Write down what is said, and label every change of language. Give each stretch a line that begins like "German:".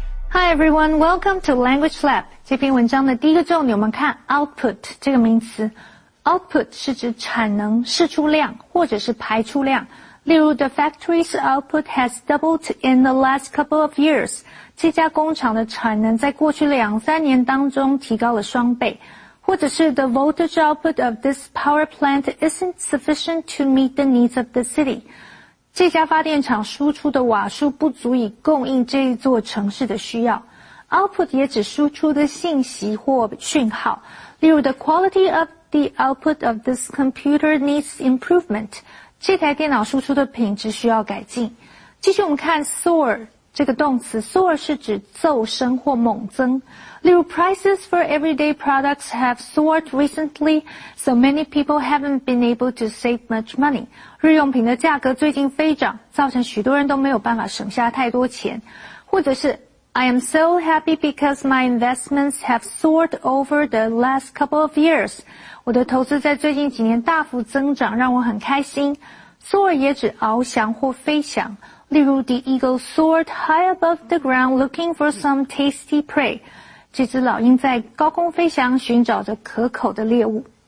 English: Hi everyone, welcome to Language Lab.
Chinese: 这篇文章的第一个重点，我们看 output 这个名词。 Output 是指产能、释出量或者是排出量。例如
English: ,the factory's output has doubled in the last couple of years.
Chinese: 这家工厂的产能在过去两三年当中提高了双倍。或者是
English: ,the voltage output of this power plant isn't sufficient to meet the needs of the city.
Chinese: 这家发电厂输出的瓦数不足以供应这一座城市的需要。 Output 也指输出的信息或讯号。例如
English: ,the quality of the output of this computer needs improvement.
Chinese: 这台电脑输出的品质需要改进。继续我们看 soar 这个动词。soar 是指骤升或猛增。例如
English: ,prices for everyday products have soared recently, so many people haven't been able to save much money.
Chinese: 日用品的价格最近飞涨，造成许多人都没有办法省下太多钱。或者是
English: I am so happy because my investments have soared over the last couple of years.
Chinese: 我的投资在最近几年大幅增长，让我很开心。 Soar 也指翱翔或飞翔。例如
English: The eagle soared high above the ground looking for some tasty prey.
Chinese: 这只老鹰在高空飞翔，寻找着可口的猎物。